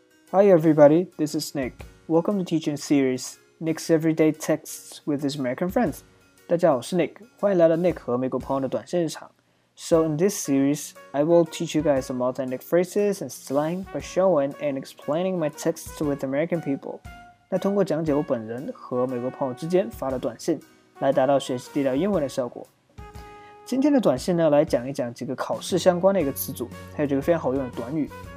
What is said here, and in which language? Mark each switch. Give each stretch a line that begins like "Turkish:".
English: Hi everybody, this is Nick. Welcome to Teaching Series, Nick's Everyday Texts with his American Friends.
Chinese: 大家好,我是 Nick, 欢迎来到 Nick 和美国朋友的短信日常。
English: So in this series, I will teach you guys some authentic phrases and slang by showing and explaining my texts with American people.
Chinese: 那通过讲解我本人和美国朋友之间发的短信,来达到学习地道英文的效果。今天的短信呢,来讲一讲几个考试相关的一个词组,还有几个非常好用的短语。